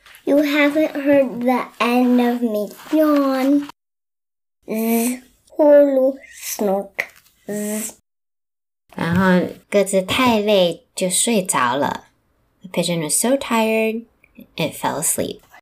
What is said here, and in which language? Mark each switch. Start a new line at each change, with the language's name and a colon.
English: You haven't heard the end of me yawn. Zzz, hulu, snork, zzz.
Chinese: 然后鸽子太累就睡着了。
English: The pigeon was so tired, it fell asleep.